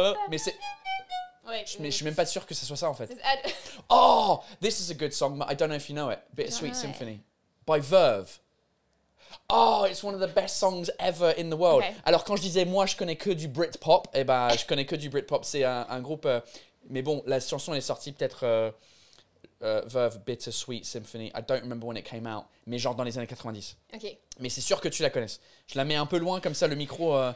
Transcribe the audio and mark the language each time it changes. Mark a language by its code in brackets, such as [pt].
[fr] Mais c'est je suis même pas sûr que ce soit ça en fait. [en] Oh, this is a good song, but I don't know if you know it. Bittersweet Symphony by Verve. Oh, it's one of the best songs ever in the world. [fr] Alors quand je disais moi je connais que du Britpop, et ben je connais que du Britpop, c'est un groupe. Mais bon, la chanson est sortie peut-être Verve Bittersweet Symphony. [en] I don't remember when it came out. [fr] Mais genre dans les années 90. Ok. Mais c'est sûr que tu la connaisses. Je la mets un peu loin comme ça, le micro.